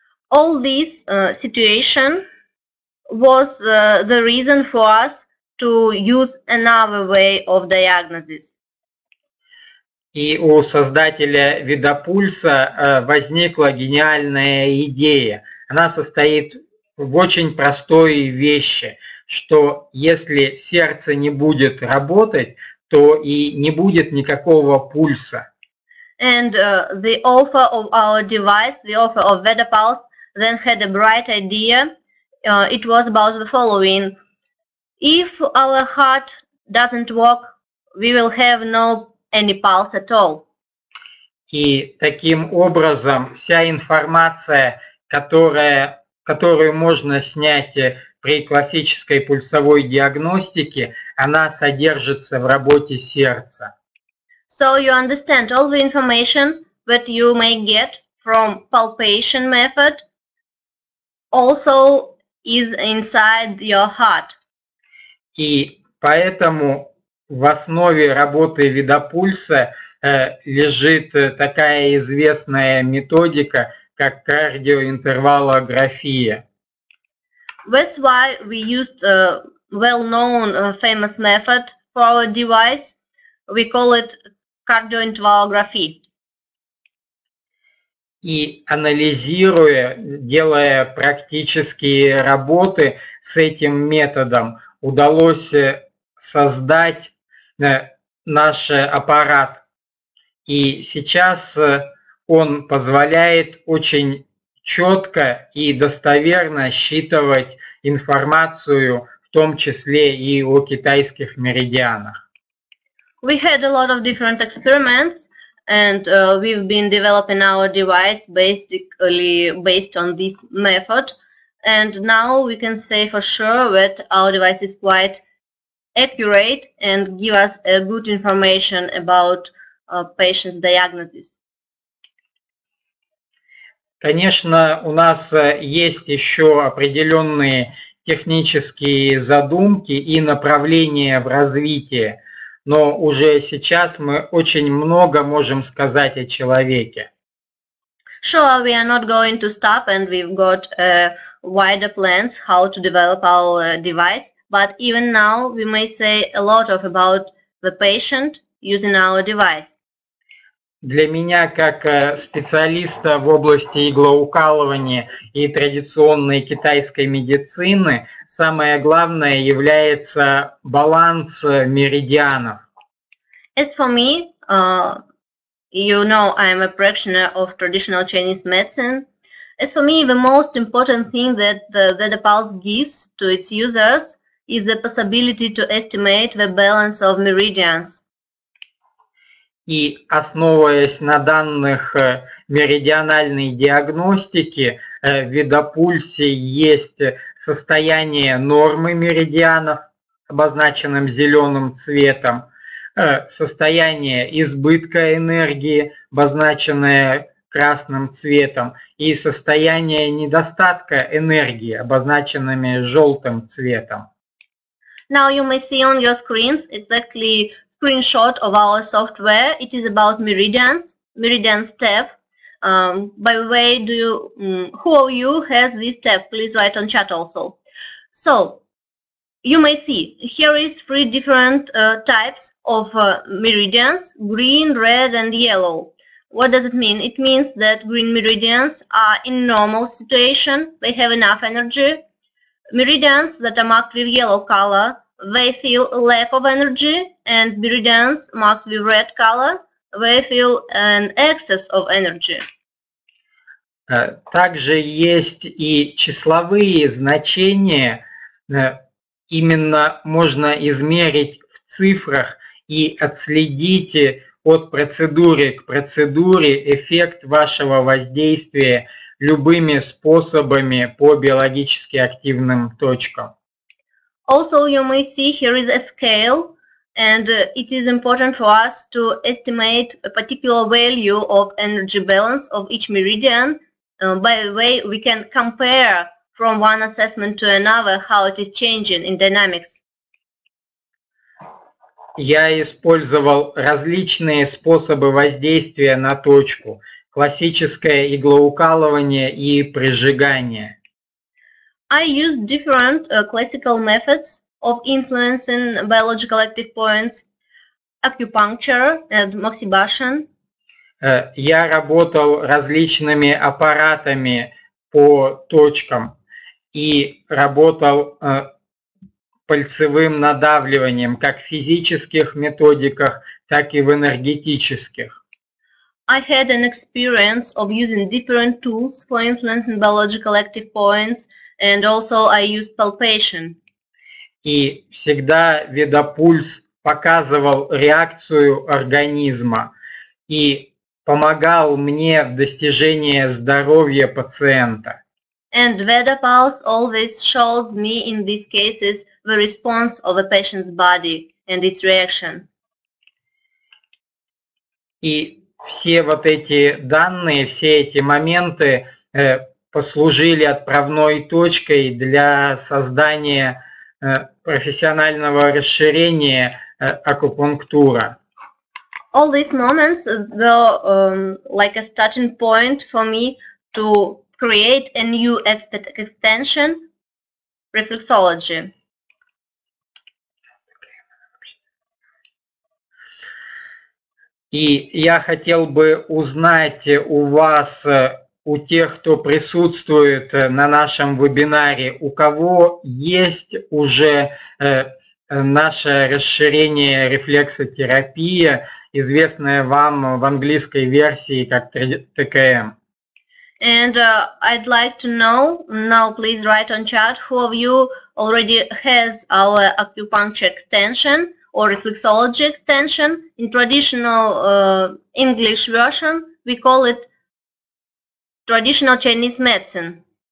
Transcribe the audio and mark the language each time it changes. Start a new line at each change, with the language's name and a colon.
English: All this situation was the reason for us to use another way of diagnosis.
Russian: И у создателя ведопульса возникла гениальная идея. Она состоит в очень простой вещи, что если сердце не будет работать, то и не будет никакого пульса.
English: And the author of our device, the author of VedaPulse, then had a bright idea. It was about the following. If our heart doesn't work, we will have no any pulse at all.
Russian: И таким образом вся информация, которую можно снять при классической пульсовой диагностике, она содержится в работе сердца.
English: So you understand, all the information that you may get from palpation method also is inside your heart.
Russian: И поэтому в основе работы ведопульса лежит такая известная методика, как кардиоинтервалография.
English: That's why we used a well-known famous method for our device. We call it cardiointervalography.
Russian: И анализируя, делая практические работы с этим методом, удалось создать наш аппарат. И сейчас он позволяет очень четко и достоверно считывать информацию, в том числе и о китайских меридианах.
English: We had a lot of different experiments, and we've been developing our device basically based on this method. And now we can say for sure that our device is quite accurate and give us a good information about patient's diagnosis.
Russian: Конечно, у нас есть еще определенные технические задумки и направления в развитии, но уже сейчас мы очень много можем сказать о человеке.
English: Sure, we are not going to stop, and we've got wider plans how to develop our device, but even now we may say a lot of about the patient using our device.
Russian: Для меня, как специалиста в области иглоукалывания и традиционной китайской медицины, самое главное является баланс меридианов.
English: As for me, you know, I'm a practitioner of traditional Chinese medicine. As for me, the most important thing that the pulse gives to its users is the possibility to estimate the balance of meridians.
Russian: И основываясь на данных меридиональной диагностики, в видопульсе есть состояние нормы меридианов, обозначенным зеленым цветом, состояние избытка энергии, обозначенное красным цветом, и состояние недостатка энергии, обозначенными желтым цветом.
English: Now you may see on your screens exactly screenshot of our software. It is about meridians, meridians tab. By the way, who of you has this tab? Please write on chat also. So you may see here is three different types of meridians: green, red, and yellow. What does it mean? It means that green meridians are in normal situation; they have enough energy. Meridians that are marked with yellow color, they feel a lack of energy, and meridians marked with red color, they feel an excess of energy.
Russian: Также есть и числовые значения. Именно можно измерить в цифрах и отследить от процедуры к процедуре эффект вашего воздействия любыми способами по биологически активным точкам.
English: Also, you may see here is a scale, and it is important for us to estimate a particular value of energy balance of each meridian. By the way, we can compare from one assessment to another how it is changing in dynamics.
Russian: Я использовал различные способы воздействия на точку. Классическое иглоукалывание и прижигание.
English: I use different classical methods of influencing biological active points, acupuncture and moxibustion.
Russian: Я работал различными аппаратами по точкам и работал пальцевым надавливанием как в физических методиках, так и в энергетических.
English: I had an experience of using different tools for influencing biological active points, and also I used palpation.
Russian: И всегда видопульс показывал реакцию организма и помогал мне в достижении здоровья пациента.
English: And VedaPulse always shows me in these cases the response of a patient's body and its reaction.
Russian: И все вот эти данные, все эти моменты послужили отправной точкой для создания профессионального расширения акупунктура.
English: All these moments were like a starting point for me to create a new extension reflexology.
Russian: И я хотел бы узнать у вас, у тех, кто присутствует на нашем вебинаре, у кого есть уже наше расширение рефлексотерапия, известное вам в английской версии как ТКМ.
English: And I'd like to know, now please write on chat, who of you already has our acupuncture extension or reflexology extension. In traditional English version, we call it traditional Chinese medicine.